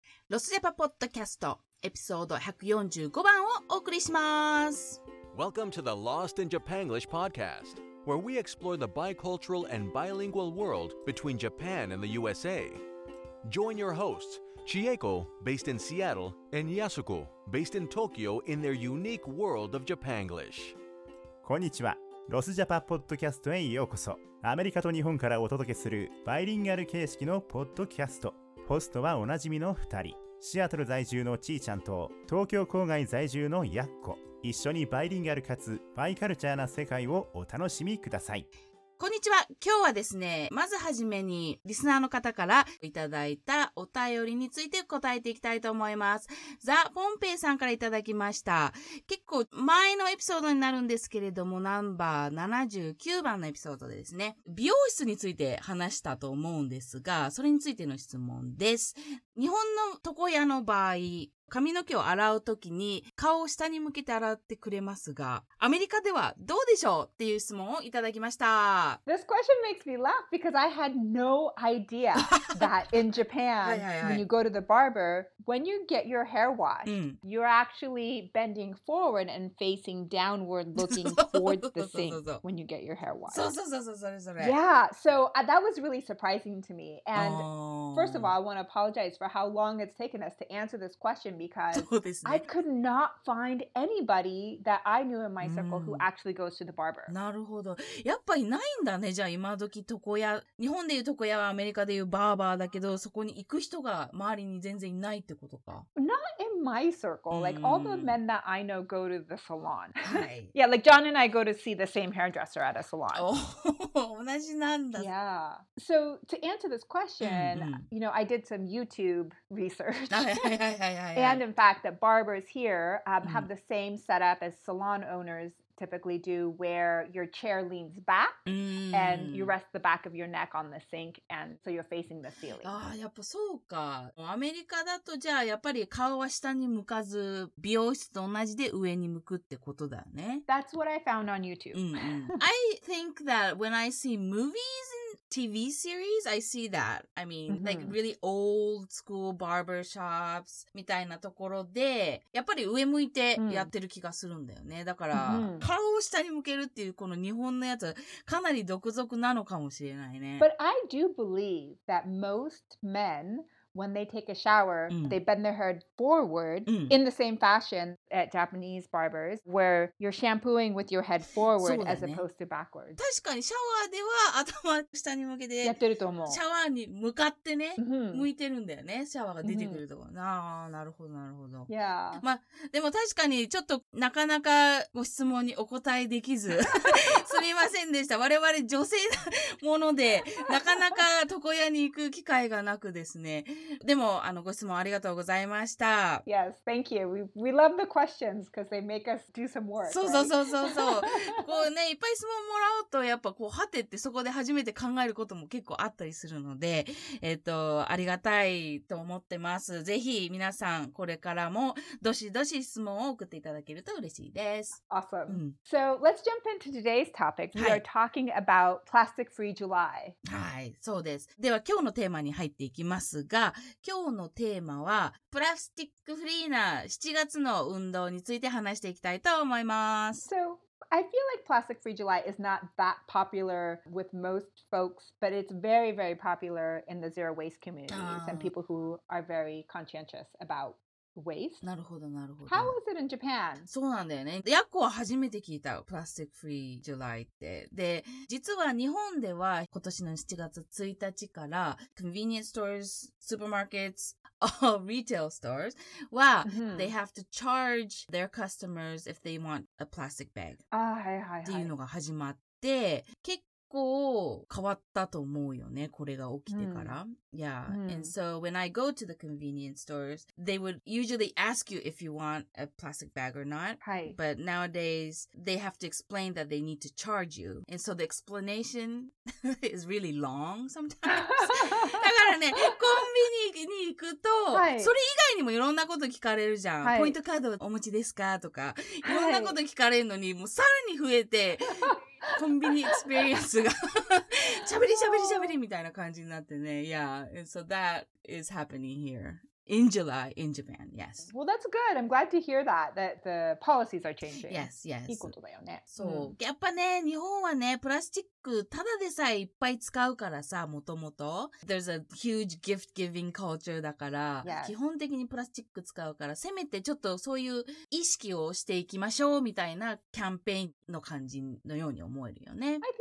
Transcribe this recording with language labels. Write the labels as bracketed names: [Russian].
[Japanese] ロスジャパポッドキャスト、エピソード145番をお送りします。 [English] Welcome to the Lost in Japan English Podcast, where we explore the bicultural and bilingual world between Japan and the USA. Join your hosts, Chieko, based in Seattle, and Yasuko, based in Tokyo, in their unique world of Japanglish. [Japanese] こんにちは。ロスジャパポッドキャストへようこそ。アメリカと日本からお届けするバイリンガル形式のポッドキャスト。ホストはおなじみの2人、シアトル在住のちーちゃんと東京郊外在住のやっこ。一緒にバイリンガルかつバイカルチャーな世界をお楽しみください。こんにちは。今日はですね、まずはじめにリスナーの方からいただいたお便りについて答えていきたいと思います。ザ・ポンペイさんからいただきました。結構前のエピソードになるんですけれども、ナンバー79番のエピソードでですね、美容室について話したと思うんですが、それについての質問です。日本の床屋の場合、髪の毛を洗うときに顔を下に向けて洗ってくれますが、アメリカではどうでしょうっていう質問をいただきました。 [English] This question makes me laugh because I had no idea that in Japan, [Japanese] はいはい、はい、 [English] when you go to the barber, when you get your hair washed,、うん、you're actually bending forward and facing downward looking towards the sink when you get your hair washed. [Japanese] そう。 [English] Yeah, so、that was really surprising to me. And first of all, I want to apologize for how long it's taken us to answer this question. Because、 [Japanese] ね、 [English] I could not find anybody that I knew in my circle who actually goes to the barber. [Japanese] なるほど。やっぱりないんだね。じゃあ今時床屋、日本でいう床屋はアメリカでいうバーバーだけど、そこに行く人が周りに全然いないってことか。 [English] Not in my circle. Like all the men that I know go to the salon. Yeah, like John and I go to see the same hairdresser at a salon. [Japanese] 同じなんだ。 [English] Yeah. So to answer this question, you know, I did some YouTube research. And in fact, the barbers here、have the same setup as salon owners typically do, where your chair leans back、and you rest the back of your neck on the sink, and so you're facing the ceiling. [Japanese] ああ、やっぱそうか。アメリカだとじゃあやっぱり顔は下に向かず、美容室と同じで上に向くってことだね。 [English] That's what I found on YouTube. I think that when I see movies in TV series, I see that. I mean,、like really old school barber shops [Japanese] みたいなところで、やっぱり上向いてやってる気がするんだよね。だから、顔を下に向けるっていうこの日本のやつ、かなり独特なのかもしれないね。 [English] But I do believe that most men, when they take a shower,、they bend their head forward、in the same fashion at Japanese barbers, where you're shampooing with your head forward、ね、as opposed to backwards. [Japanese] 確かにシャワーでは頭下に向けてやってると思う。シャワーに向かってね、向いてるんだよね。シャワーが出てくるところ。なるほど。 [English] Yeah. [Japanese] まあ、でも確かにちょっとなかなかご質問にお答えできず、すみませんでした。我々女性なもので、なかなか床屋に行く機会がなくですね。でも、ご質問ありがとうございました。 [English] Yes, thank you. We love the questions because they make us do some work. [Japanese] そう。こうね、いっぱい質問もらうと、やっぱこう、果てってそこで初めて考えることも結構あったりするので、ありがたいと思ってます。ぜひ、皆さん、これからも、どしどし質問を送っていただけると嬉しいです。 [English] Awesome.、So, let's jump into today's topic. We are talking about Plastic Free July. [Japanese] はい、そうです。では、今日のテーマに入っていきますが、今日のテーマはプラスチックフリーな7月の運動について話していきたいと思います。 [English] So, I feel like Plastic Free July is not that popular with most folks, but it's very, very popular in the zero waste communities and people who are very conscientious aboutWaste? [Japanese] なるほど、なるほど。 [English] How is it in Japan? [Japanese] そうなんだよね。ヤッコは初めて聞いた。 [English] Plastic Free July って。 [Japanese] で、実は日本では今年の7月1日から [English] Convenience Stores, Supermarkets, All Retail Stores は、They have to charge their customers if they want a plastic bag. [Japanese] あ、はいはいはい。っていうのが始まって、結構結構変わったと思うよね、これが起きてから。 [English] Yeah. And so when I go to the convenience stores, they would usually ask you if you want a plastic bag or not. [Japanese] はい。 [English] But nowadays, they have to explain that they need to charge you. And so the explanation is really long sometimes. [Japanese] だからね、コンビニに行くと、はい、それ以外にもいろんなこと聞かれるじゃん。はい、ポイントカードお持ちですかとか、いろんなこと聞かれるのに、もうさらに増えて、コンビニエクスペリエンスが。喋り喋り喋りみたいな感じになってね。 [English] Yeah, so that is happening hereIn July, in Japan, yes. Well, that's good. I'm glad to hear that, that the policies are changing. Yes, yes. [Japanese] いいことだよね。そう。やっぱね、日本はね、プラスチックただでさえいっぱい使うからさ、もともと。 [English] There's a huge gift-giving culture [Japanese] だから、 [English] yes. [Japanese] 基本的にプラスチック使うから、せめてちょっとそういう意識をしていきましょうみたいなキャンペーンの感じのように思えるよね。